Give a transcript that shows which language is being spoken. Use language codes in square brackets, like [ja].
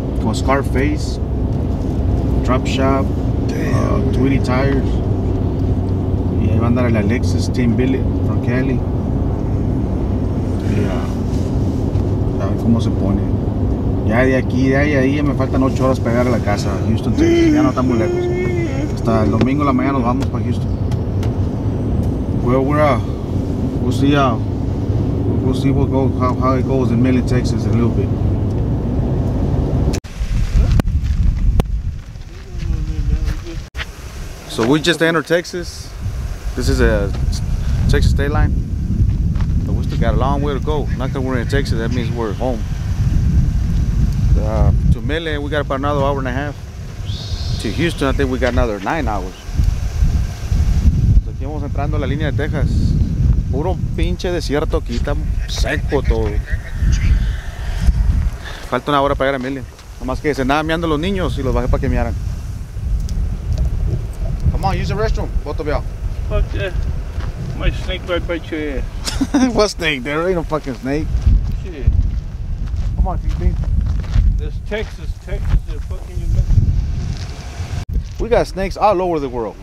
[es] Con Scarface, Drop Shop, Tweety Tires, y ahí va a andar el Alexis Team Billy from Cali. Y a ver cómo se pone. Ya de aquí, de ahí a ahí, me faltan 8 horas para llegar a la casa, Houston, Texas. Ya no está muy lejos. El domingo la mañana nos vamos para Houston. [en] Well, we'll see what goes, how it goes in Midland, Texas in a little bit. So we just entered Texas. This is a Texas state line, but we still got a long way to go. Not that we're in Texas, that means we're home. To Midland, we got about another hour and a half. To Houston, I think we got another 9 hours. [es] So aquí vamos entrando a la línea de Texas. Puro pinche desierto aquí, está seco todo. Falta una hora para llegar a Emilia. Nomás que se andaban meando los niños y los bajé para que mearan. [en] Come on, use the restroom, both of y'all. Fuck that. My snake right by your ass. What snake? There ain't no fucking snake. Shit. Come on, TP. This Texas, they're fucking you. We got snakes all over the world.